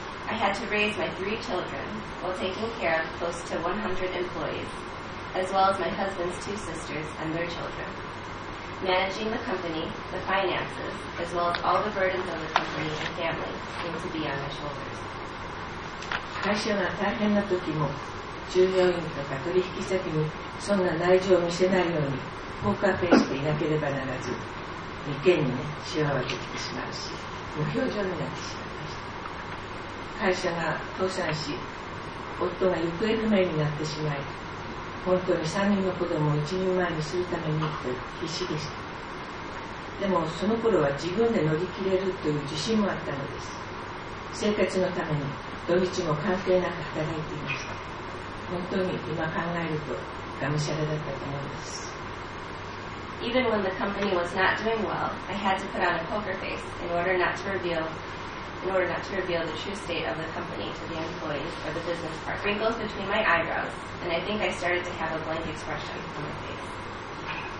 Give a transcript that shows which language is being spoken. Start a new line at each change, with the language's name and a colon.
English: I had to raise my 3 children while taking care of close to 100 employees, as well as my husband's 2 sisters and their children. Managing the company, the finances, as well as all the burdens of the company and family seemed to be on my shoulders.
Japanese: 会社が大変な時も、従業員とか取引先にそんな内情を見せないようにポーカーフェイスでいなければならず、眉間にね、シワはできてしまうし、無表情になってしまいました。会社が倒産し、夫が行方不明になってしまい、本当に3人の子供を一人前にするためにと必死でした。でもその頃は自分で乗り切れるという自信もあったのです。生活のために土日も関係なく働いていました。本当に今考えるとがむしゃらだったと思います。
English: Even when the company was not doing well, I had to put on a poker face in order not to reveal the true state of the company to the employees or the business partners. Wrinkles between my eyebrows, and I think I started to have a blank expression on my face.